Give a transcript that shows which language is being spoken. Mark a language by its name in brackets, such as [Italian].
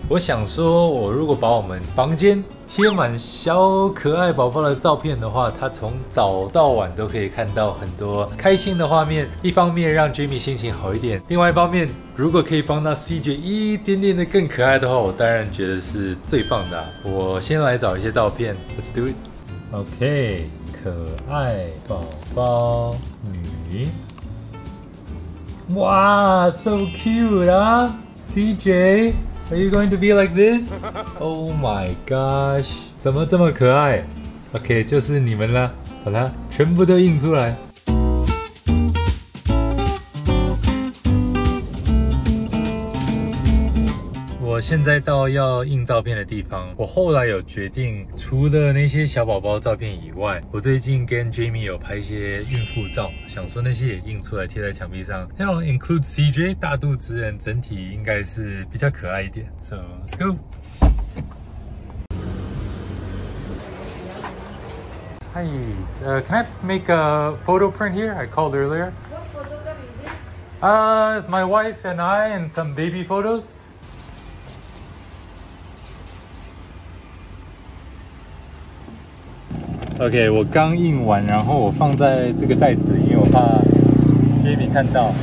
[Chinese] 我想说，我如果把我们房间贴满小可爱宝宝的照片的话，她从早到晚都可以看到很多开心的画面。一方面让 Jamie 心情好一点，另外一方面，如果可以帮到 CJ 一点点的更可爱的话，我当然觉得是最棒的、啊。我先来找一些照片 ， [English] Let's do it。 [Chinese] OK， 可爱宝宝女，哇 ， [English] so cute [Chinese] 啊 ，CJ。 [English] Are you going to be like this? Oh my gosh! [Chinese] 怎么这么可爱 ？OK， 就是你们啦，把它全部都印出来。我现在到要印照片的地方。我后来有决定，除了那些小宝宝照片以外，我最近跟 Jamie 有拍一些孕妇照，想说那些也印出来贴在墙壁上，要 include CJ 大肚子人，整体应该是比较可爱一点。 [English] So let's go。 Hi、can I make a photo print here? I called earlier. What photo is it? It's my wife and I and some baby photosOK， [Chinese] 我刚印完，然后我放在这个袋子里，因为我怕 Jamie 看到。